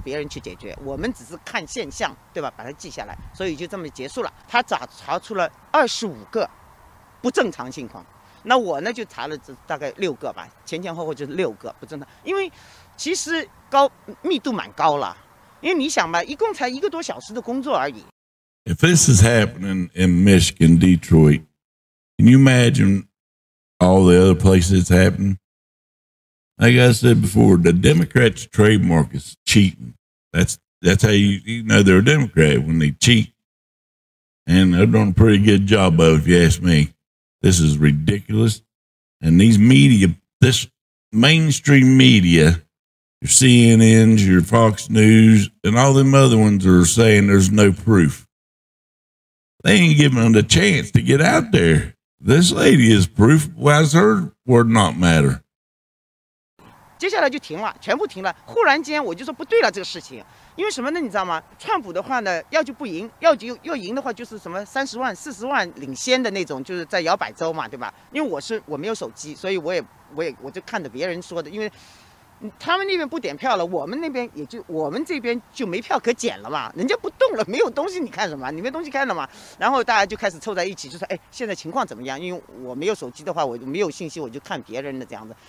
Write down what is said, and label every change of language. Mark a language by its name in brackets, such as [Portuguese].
[Chinese] 别人去解决，我们只是看现象，对吧？把它记下来，所以就这么结束了。他查出了25个不正常情况，那我呢就查了大概6个吧，前前后后就是6个不正常，因为其实高密度蛮高了，因为你想吧，一共才1个多小时的工作而已。 [English] If this is happening in Michigan, Detroit, can you imagine all the other places it's happening? Like I said before, the Democrats' trademark is cheating. That's how you know they're a Democrat, when they cheat. And they're doing a pretty good job of it, if you ask me. This is ridiculous. And these media, this mainstream media, your CNNs, your Fox News, and all them other ones are saying there's no proof. They ain't giving them the chance to get out there. This lady is proof. Why does her word not matter? [Chinese] 接下来就停了，全部停了。忽然间我就说不对了这个事情，因为什么呢？你知道吗？川普的话呢，要就不赢，要赢的话就是什么30万、40万领先的那种，就是在摇摆州嘛，对吧？因为我没有手机，所以我就看着别人说的，因为他们那边不点票了，我们这边就没票可捡了嘛，人家不动了，没有东西你看什么，你没东西看了嘛，然后大家就开始凑在一起，就说哎，现在情况怎么样，因为我没有手机的话，我没有信息，我就看别人的这样子。